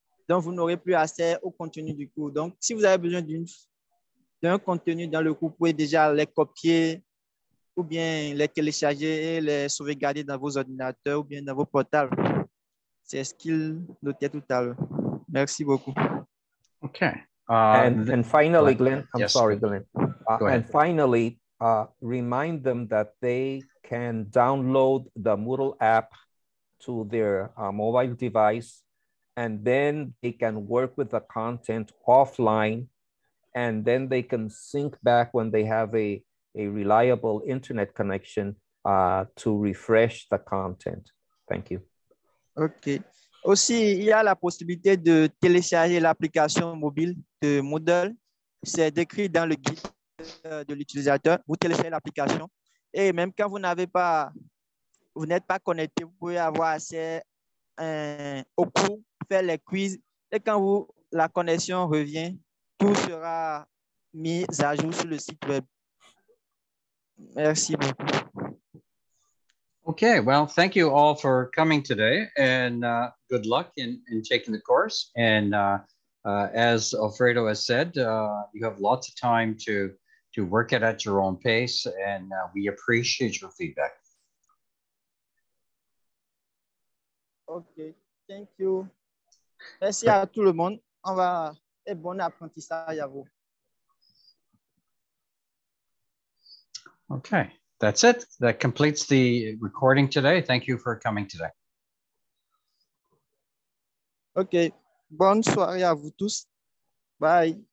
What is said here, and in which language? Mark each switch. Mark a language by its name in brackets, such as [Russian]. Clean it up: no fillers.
[French] Donc, vous n'aurez plus accès au contenu du cours. Donc, si vous avez besoin d'un contenu dans le cours, vous pouvez déjà les copier ou bien les télécharger et les sauvegarder dans vos ordinateurs ou bien dans vos portables. C'est ce qu'il notait tout à l'heure. Merci beaucoup. OK. [English] And finally, Glenn, I'm yes, sorry, Glenn. And finally, remind them that they can download the Moodle app to their mobile device, and then they can work with the content offline, and then they can sync back when they have a reliable internet connection to refresh the content. Thank you. OK. [French] Aussi, il y a la possibilité de télécharger l'application mobile de Moodle. C'est décrit dans le guide de l'utilisateur. Vous téléchargez l'application. Et même quand vous n'êtes pas connecté, vous pouvez avoir accès au cours, faire les quiz. Et quand la connexion revient, tout sera mis à jour sur le site web. Merci beaucoup. [English] Okay, well, thank you all for coming today, and good luck in taking the course. And as Alfredo has said, you have lots of time to work it at your own pace, and we appreciate your feedback. Okay, thank you. [French] Merci à tout le monde. On va et bon apprentissage à vous. [English] Okay. That's it. That completes the recording today. Thank you for coming today. [French] Okay. Bonne soirée à vous tous. Bye.